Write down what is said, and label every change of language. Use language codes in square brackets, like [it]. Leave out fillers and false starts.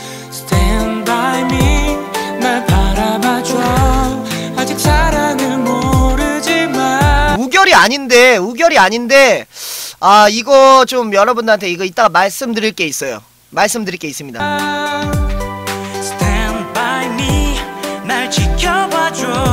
[en] Stand by me, [ko] 날 바라봐줘. 아직 사랑을 모르지만. 우결이 아닌데, 아 이거 좀 여러분들한테 이거 이따가 말씀드릴 게 있어요. 말씀드릴 게 있습니다. [en] Stand by me, [ko] 날 지켜봐줘.